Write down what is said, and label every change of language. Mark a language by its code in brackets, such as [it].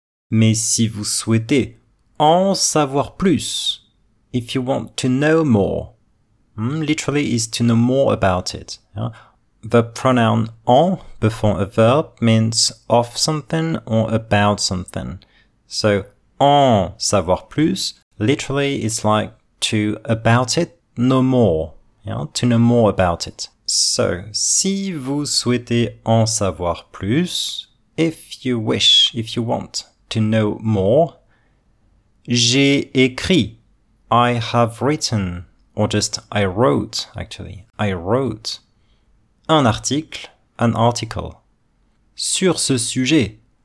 [fr] mais si vous souhaitez en savoir plus, [en] if you want to know more, literally is to know more about it. Yeah? The pronoun en before a verb means of something or about something. So en savoir plus, literally it's like to about it, know more, yeah? To know more about it. [fr] So, si vous souhaitez en savoir plus, [en] if you wish, if you want to know more, [fr] j'ai écrit, [en] I have written, or just I wrote, actually, I wrote, [fr] un article, [en] an article, [fr] sur ce sujet,